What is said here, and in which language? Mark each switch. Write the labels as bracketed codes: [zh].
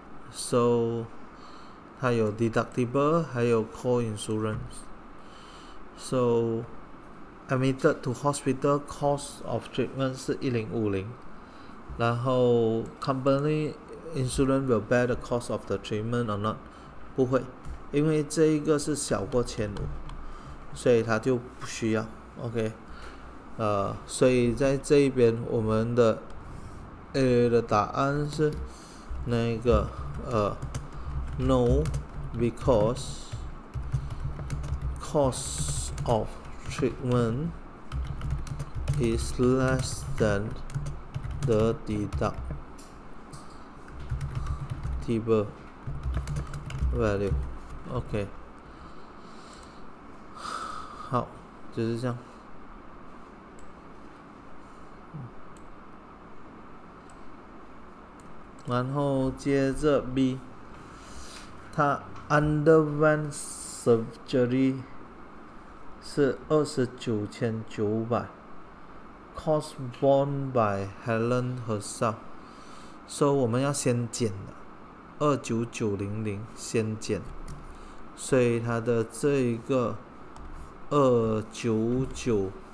[zh] So 它有 deductible， 还有 co-insurance。 [en] So admitted to hospital cost of treatment [zh] 是1050，然后 [en] company insurance will bear the cost of the treatment or not？ [zh] 不会，因为这一个是小过1500，所以它就不需要。 [en] OK， [zh] 所以在这一边我们的 A 的答案是那个 [en] No， because cost of treatment is less than the deductible value. [zh] OK， 好，就是这样。然后接着 B， 他 [en] underwent surgery [zh] 是 [en] 29,900 ，cost borne by Helen herself。 [zh] 所以我们要先减的29900先减，所以他的这一个29900。